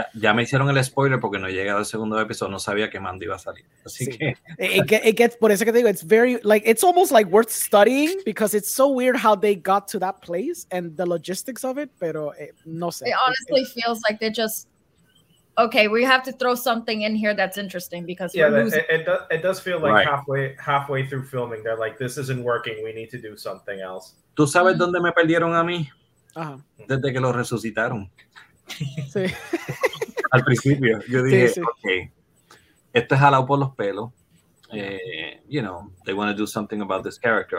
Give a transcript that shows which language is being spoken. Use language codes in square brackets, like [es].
[es] Ya me hicieron el spoiler porque no llegué al segundo episodio. No sabía que Mando iba a salir. [en] It gets, [es] por eso que te digo, [en] it's very, like, it's almost like worth studying because it's so weird how they got to that place and the logistics of it, [es] pero no sé. [en] It honestly feels like they're just, okay, we have to throw something in here that's interesting because it does feel like halfway through filming, they're like, this isn't working, we need to do something else. [es] ¿Tú sabes dónde me perdieron a mí? Ajá. Desde que lo resucitaron. Sí. Al principio. Yo dije, ok, esto es jalado por los pelos. [en] You know, they want to do something about this character.